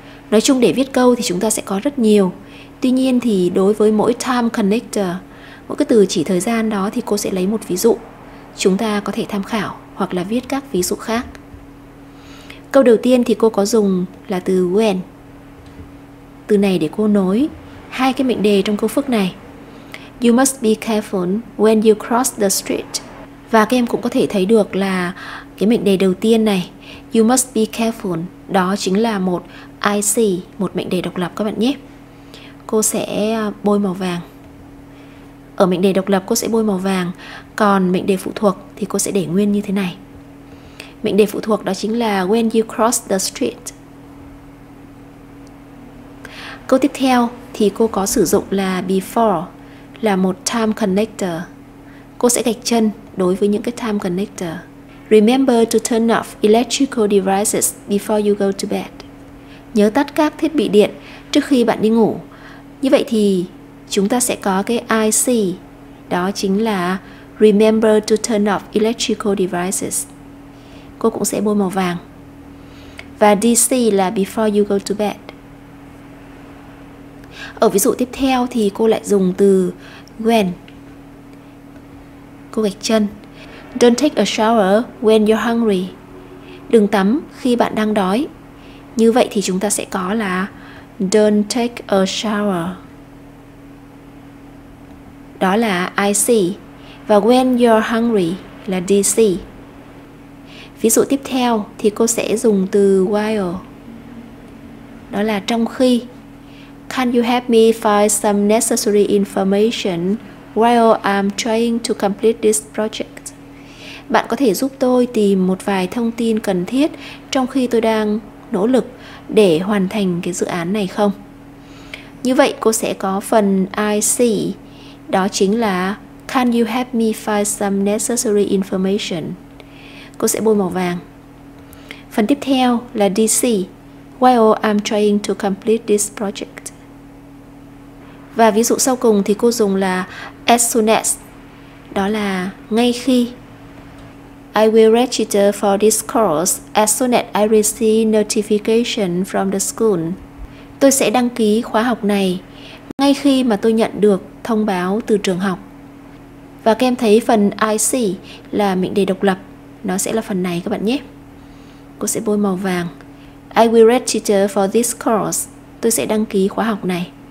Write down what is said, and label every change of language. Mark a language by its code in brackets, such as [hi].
[vi] Nói chung để viết câu thì chúng ta sẽ có rất nhiều. Tuy nhiên thì đối với mỗi time connector, mỗi cái từ chỉ thời gian đó thì cô sẽ lấy một ví dụ. Chúng ta có thể tham khảo hoặc là viết các ví dụ khác. Câu đầu tiên thì cô có dùng là từ when. Từ này để cô nối hai cái mệnh đề trong câu phức này. [en] You must be careful when you cross the street. [vi] Và các em cũng có thể thấy được là cái mệnh đề đầu tiên này, [en] you must be careful, [vi] đó chính là một IC, một mệnh đề độc lập các bạn nhé. Cô sẽ bôi màu vàng. Ở mệnh đề độc lập cô sẽ bôi màu vàng, còn mệnh đề phụ thuộc thì cô sẽ để nguyên như thế này. Mệnh đề phụ thuộc đó chính là [en] when you cross the street. [vi] Câu tiếp theo thì cô có sử dụng là before, là một time connector. Cô sẽ gạch chân đối với những cái time connector. [en] Remember to turn off electrical devices before you go to bed. [vi] Nhớ tắt các thiết bị điện trước khi bạn đi ngủ. Như vậy thì chúng ta sẽ có cái IC, đó chính là [en] remember to turn off electrical devices. [vi] Cô cũng sẽ bôi màu vàng. Và DC là [en] before you go to bed. [vi] Ở ví dụ tiếp theo thì cô lại dùng từ when. Cô gạch chân. [en] Don't take a shower when you're hungry. [vi] Đừng tắm khi bạn đang đói. Như vậy thì chúng ta sẽ có là [en] don't take a shower. [vi] Đó là IC. Và [en] when you're hungry [vi] là DC. Ví dụ tiếp theo thì cô sẽ dùng từ while. Đó là trong khi. [en] Can you help me find some necessary information while I'm trying to complete this project? [vi] Bạn có thể giúp tôi tìm một vài thông tin cần thiết trong khi tôi đang nỗ lực để hoàn thành cái dự án này không? Như vậy cô sẽ có phần IC, đó chính là [en] can you help me find some necessary information? [vi] Cô sẽ bôi màu vàng. Phần tiếp theo là DC, [en] while I'm trying to complete this project. [vi] Và ví dụ sau cùng thì cô dùng là as soon as, đó là ngay khi. [en] I will register for this course as soon as I receive notification from the school. [vi] Tôi sẽ đăng ký khóa học này ngay khi mà tôi nhận được thông báo từ trường học. Và các em thấy phần IC là mệnh đề độc lập, nó sẽ là phần này các bạn nhé. Cô sẽ bôi màu vàng. [en] I will register for this course. [vi] Tôi sẽ đăng ký khóa học này.